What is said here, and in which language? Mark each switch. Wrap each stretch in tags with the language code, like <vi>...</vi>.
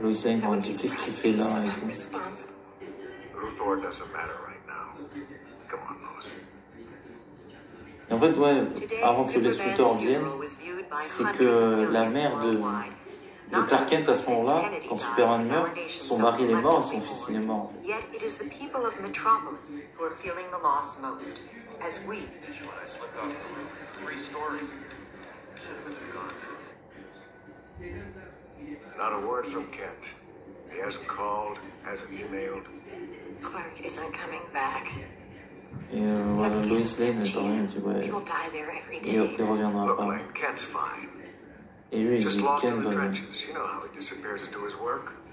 <fr>Lois Lane, on dit, qu'est-ce qu'il fait là avec lui ? Luthor ne s'intéresse pas maintenant.</fr> <en>Come on, Lois.</en> <fr>En fait, ouais, avant que Lex Luthor vienne, c'est que la mère de Clark Kent, à ce moment-là, quand Superman meurt, son mari est mort et son fils est mort.</fr> <en>Yet it is the people of Metropolis who are feeling the loss most, as we. Not a word from Kent. He hasn't called, hasn't emailed. Clark isn't coming back.</en> <fr>Et Lois Lane est pas rien, tu vois. Il reviendra pas.</fr> <en>Kent's fine.</en> <fr>Et lui, il dit</fr> <en>Kent, you know how he disappears into his work.</en>